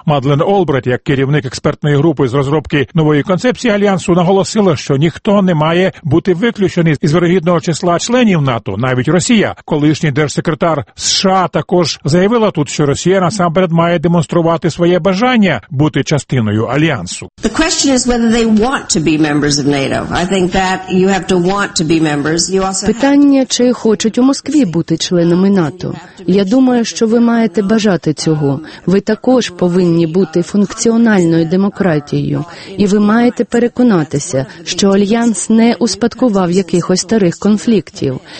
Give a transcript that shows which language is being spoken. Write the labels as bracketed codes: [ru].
[uk] Мадлен Олбрайт, як керівник експертної групи з розробки нової концепції Альянсу, наголосила, що ніхто не має бути виключений із вірогідного числа членів НАТО, навіть Росія. Колишній держсекретар США також заявила тут, що Росія насамперед має демонструвати своє бажання бути частиною Альянсу. [en] The question is whether they want to be members of NATO. I think that you have to want to be members. You also [uk] питання, чи хочуть у Москві бути членами НАТО. Я думаю, що ви маєте бажати цього. Ви також повинні бути функціональною демократією, і ви маєте переконатися, що альянс не успадкував якихось старих конфліктів.